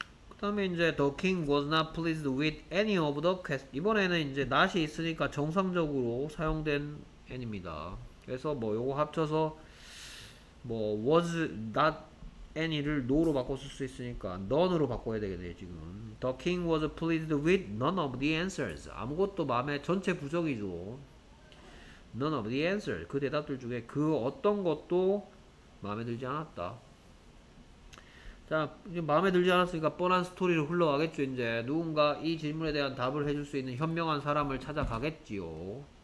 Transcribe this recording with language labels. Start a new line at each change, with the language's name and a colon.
Korean: 그다음에 이제
English: the king was not pleased with any of the quest.
Korean: 이번에는 이제 not이 있으니까 정상적으로 사용된 n입니다. 그래서 뭐 요거 합쳐서 뭐 was not any를 no로 바꿔 쓸수 있으니까 none으로 바꿔야 되겠네요, 지금.
English: The king was pleased with none of the answers.
Korean: 아무것도 마음에 전체 부정이죠.
English: None of the answers.
Korean: 그 대답들 중에 그 어떤 것도 마음에 들지 않았다. 자, 마음에 들지 않았으니까 뻔한 스토리로 흘러가겠죠, 이제. 누군가 이 질문에 대한 답을 해줄 수 있는 현명한 사람을 찾아가겠지요.